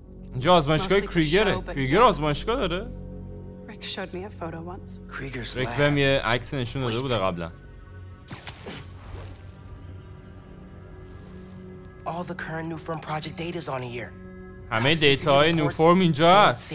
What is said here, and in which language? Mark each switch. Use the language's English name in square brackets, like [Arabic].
[Persian] اینجا آزمایشگاه کریگره. کریگر آزمایشگاه داره. [English] Rick showed me a photo once. Krieger's lab. [Persian] بهم یه عکس نشون داده بوده قبلا. [English] All the current new form project data is on here. [Persian] همه دیتاهای نو فرم اینجا است.